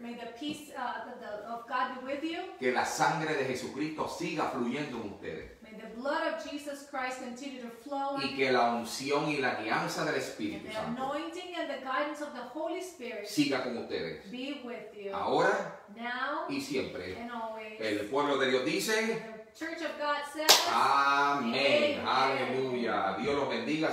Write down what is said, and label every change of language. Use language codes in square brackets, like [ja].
[en] May the peace of God be with you. [es] Que la sangre de Jesucristo siga fluyendo en ustedes. [en] The blood of Jesus Christ continue to flow. [es] Y que la unción y la guianza del Espíritu [en] Santo. And the anointing and the guidance of the Holy Spirit. [es] Siga con ustedes. [en] Be with you. [es] Ahora. [en] Now. [es] Y siempre. [en] And always. [es] El pueblo de Dios dice. [en] The Church of God says. [es] Amén. Aleluya. Dios los bendiga.